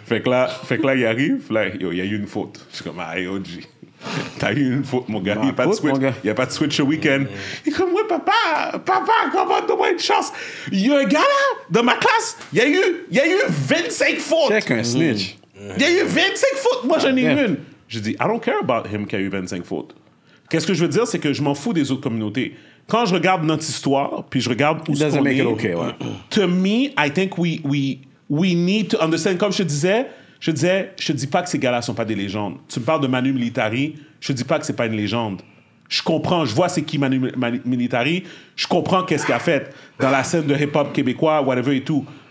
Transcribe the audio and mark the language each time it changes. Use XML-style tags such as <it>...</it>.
<fr>Fait que là, il arrive, là, il y a eu une faute. Je suis comme, aïe, OG. T'as eu une faute, mon gars. Il n'y a pas de switch au week-end. Il est comme, ouais, papa, comment donne-moi une chance? Il y a un gars là, dans ma classe, il y a eu 25 fautes. Check un snitch. Il y a eu 25 fautes. Moi, j'en ai eu une. Je dis,</fr> <en>I don't care about him</en> <fr>qui a eu 25 fautes. Qu'est-ce que je veux dire? C'est que je m'en fous des autres communautés. Quand je regarde notre histoire, puis je regarde où ça se passe. Okay, ouais.</fr> <en>To me, I think we need to understand,</en> <fr>comme je te disais. Je te dis pas que ces gars-là sont pas des légendes. Tu me parles de Manu Militari, je te dis pas que c'est pas une légende. Je comprends, je vois c'est qui Manu Militari, je comprends qu'est-ce qu'il a fait dans la scène de hip-hop québécois, whatever et tout.</fr>